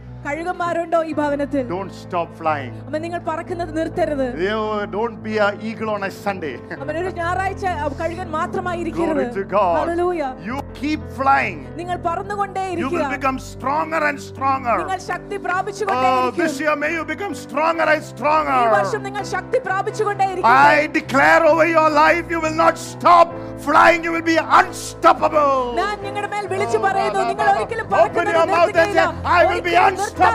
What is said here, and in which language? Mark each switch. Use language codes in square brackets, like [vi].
[ml] കഴുകന്മാരുണ്ടോ ഈ ഭവനത്തിൽ [en] Don't stop flying. [ml] അമ്മ നിങ്ങൾ പറക്കുന്നത് നിർത്തരുത്. [en] Don't be a eagle on a Sunday. [ml] അമ്മ ഒരു ഞായറാഴ്ച കഴുകൻ മാത്രമായി ഇരിക്കരുത്. [en] Glory to God. Hallelujah. You keep flying. [ml] നിങ്ങൾ പറന്നുകൊണ്ടേ ഇരിക്കുക. [en] You will become stronger and stronger. [ml] നിങ്ങൾ ശക്തി പ്രാപിച്ചുകൊണ്ടേ ഇരിക്കുക. [en] This year may you become stronger and stronger. [ml] ഈ വർഷം നിങ്ങൾ ശക്തി പ്രാപിച്ചുകൊണ്ടേ ഇരിക്കുക. [en] I declare over your life you will not stop flying, you will be unstoppable. [ml] ഞാൻ നിങ്ങളുടെ മേൽ വിളിച്ചു പറയുന്നു നിങ്ങൾ ഒരിക്കലും പറക്കരുത്. [en] Open your mouth and say, I will be unstoppable.